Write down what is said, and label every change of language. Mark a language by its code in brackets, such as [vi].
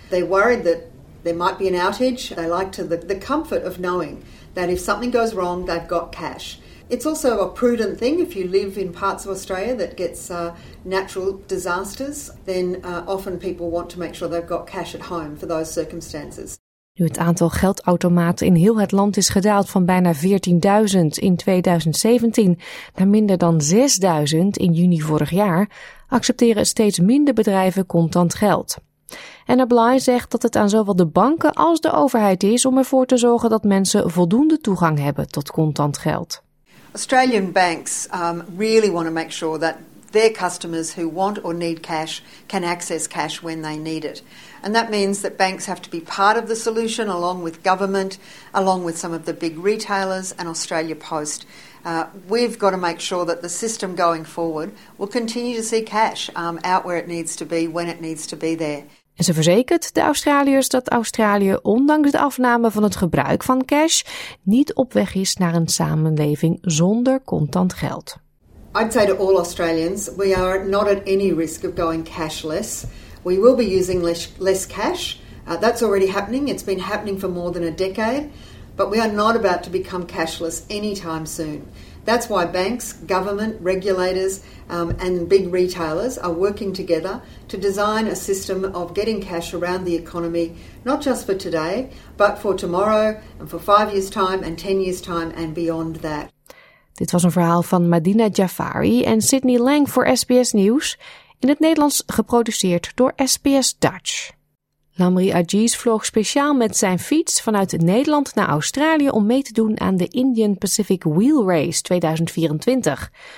[en] They're worried that there might be an outage. They like to the comfort of knowing that if something goes wrong, they've got cash. It's also a prudent thing if you live in parts of Australia that gets natural disasters, then often people want to make sure they've got cash at home for those circumstances. [nl] Nu het aantal geldautomaten in heel het land is gedaald van bijna 14.000 in 2017 naar minder dan 6.000 in juni vorig jaar, accepteren steeds minder bedrijven contant geld. Anna Bligh zegt dat het aan zowel de banken als de overheid is om ervoor te zorgen dat mensen voldoende toegang hebben tot contant geld. [en] Australian banks really want to make sure that their customers who want or need cash can access cash when they need it. And that means that banks have to be part of the solution along with government, along with some of the big retailers and Australia Post. We've got to make sure that the system going forward will continue to see cash out where it needs to be, when it needs to be there. [nl] En ze verzekert de Australiërs dat Australië, ondanks de afname van het gebruik van cash, niet op weg is naar een samenleving zonder contant geld. [en] I'd say to all Australians, we are not at any risk of going cashless. We will be using less cash. That's already happening. It's been happening for more than a decade. But we are not about to become cashless anytime soon. That's why banks, government, regulators, and big retailers are working together to design a system of getting cash around the economy, not just for today, but for tomorrow and for 5 years' time and 10 years' time and beyond that. [nl] Dit was een verhaal van Madina Jafari en Sydney Lang voor SBS Nieuws, in het Nederlands geproduceerd door SBS Dutch. Lamri Ajiz vloog speciaal met zijn fiets vanuit Nederland naar Australië om mee te doen aan de Indian Pacific Wheel Race 2024.